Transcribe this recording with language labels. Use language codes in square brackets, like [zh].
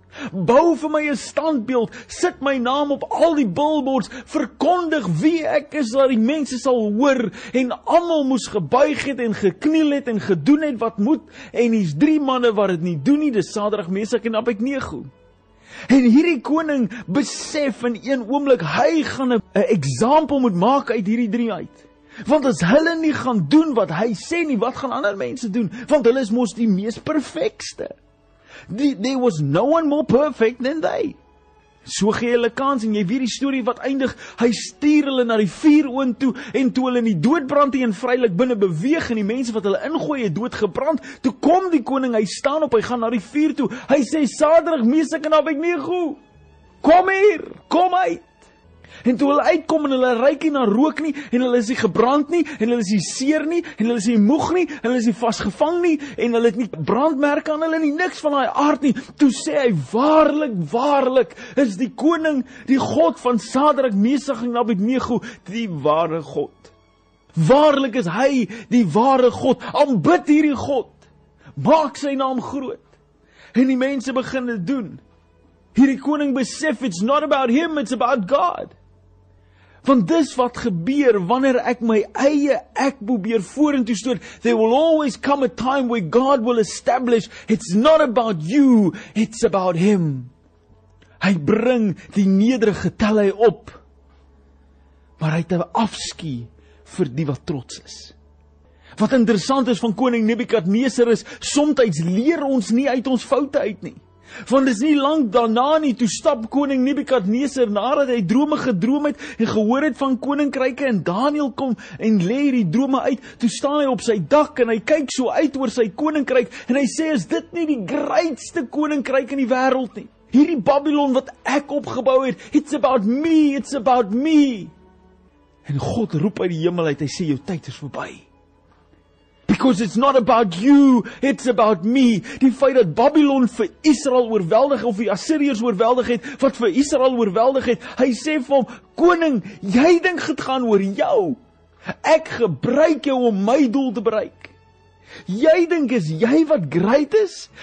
[af] bou vir my 'n standbeeld, sit my naam op al die billboards, verkondig wie ek is, dat die mense sal hoor, en allemaal moes gebuig het, en gekniel het, en gedoen het wat moet, en hier's 3 manne wat het nie doen nie, dis Sadrag, Mesak en Abednego. En hierdie koning besef in een oomblik, hy gaan 'n eksempel moet maak uit hierdie 3 uit. Want as hulle nie gaan doen wat hy sê nie, wat gaan ander mense doen? Want hulle is mos die mees perfekste. [en] There was no one more perfect than they. [af] So gee hulle kans, en jy weet die story wat eindig, hy stuur hulle na die vuuroond toe, en toe hulle in die doodbrand heen vrylik binne beweeg, en die mense wat hulle ingooi het doodgebrand, toe kom die koning, hy staan op, hy gaan na die vuur toe, hy sê, Sadrag, Mesak en Abednego, kom hier, kom uit. En toe hulle uitkom, en hulle ruik nie na rook nie, en hulle is nie gebrand nie, en hulle is nie seer nie, en hulle is nie moeg nie, en hulle is nie vasgevang nie, en hulle het nie brandmerke aan hulle nie, niks van daai aard nie, toe sê hy, waarlik, waarlik, is die koning, die God van Sadrak, Mesak en Abednego, die ware God. Waarlik is hy die ware God, aanbid hierdie God, maak sy naam groot, en die mense begin dit doen. Hierdie koning besef, [en] it's not about him, it's about God. [af] Want dis wat gebeur, wanneer ek my eie ek probeer vorentoe stoot, [en] there will always come a time where God will establish, it's not about you, it's about him. [af] Hy bring die nederige, tel hy op, maar hy het 'n afskie vir die wat trots is. Wat interessant is van koning Nebukadneser is, somtyds leer ons nie uit ons foute uit nie. Want is nie lang daarna nie, toe stap koning Nebukadneser, nadat hy drome gedroom het, en gehoor het van koninkryke, en Daniël kom, en lê die drome uit, toe staan hy op sy dak, en hy kyk so uit oor sy koninkryk, en hy sê, is dit nie die grootste koninkryk in die wêreld nie? Hierdie Babylon wat ek opgebou het, [en] it's about me, it's about me. [af] En God roep uit die hemel uit, hy sê, jou tyd is verby. [en] Because it's not about you, it's about me. [af] Die feit dat Babylon vir Israel oorweldig, of die Assiriërs oorweldig het, wat vir Israel oorweldig het, hy sê vir hom, koning, jy dink dit gaan oor jou. Ek gebruik jou om my doel te bereik. Jy dink is jy wat great is?